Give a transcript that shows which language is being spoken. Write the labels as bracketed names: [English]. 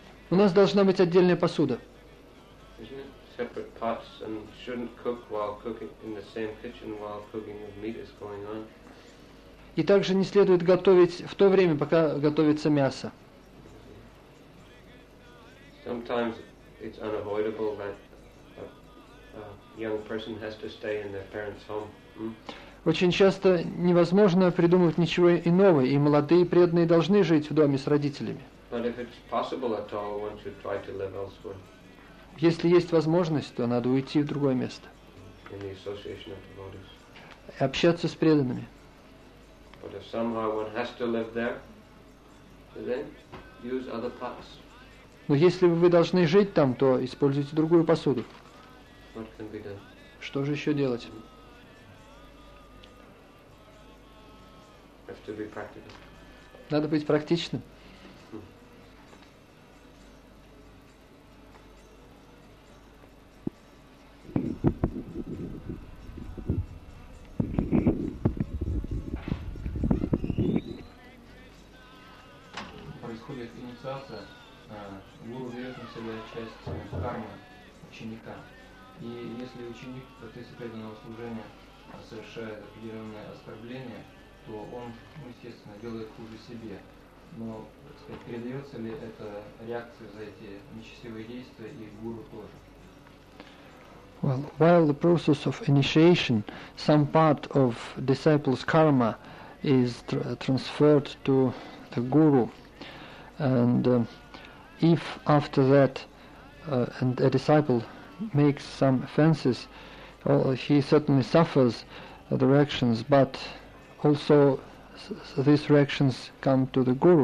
[Russian] У нас должна быть отдельная посуда. [English] Separate pots and shouldn't cook while cooking in the same kitchen while cooking of meat is going on. [Russian] И также не следует готовить в то время, пока готовится мясо. [English] Sometimes it's unavoidable that a young person has to stay in their parents' home. [Russian] Очень часто невозможно придумывать ничего иного, и молодые преданные должны жить в доме с родителями. [English] But if it's possible at all, one should try to live elsewhere. [Russian] Если есть возможность, то надо уйти в другое место. [English] In the association of devotees. [Russian] И общаться с преданными. [English] But if somehow one has to live there, then use other pots. [Russian] Но если вы должны жить там, то используйте другую посуду. [English] What can be done? [Russian] Что же еще делать? [English] Have to be practical. [Russian] Надо быть практичным. Происходит инициация, гуру берет на себя часть кармы ученика. И если ученик в процессе преданного служения совершает определенное оскорбление, то он, естественно, делает хуже себе. Но, так сказать, передается ли эта реакция за эти нечестивые действия и гуру тоже? [English] Well, while the process of initiation, some part of disciple's karma is transferred to the guru, and if after that and a disciple makes some offenses, well, he certainly suffers the reactions, but also these reactions come to the guru.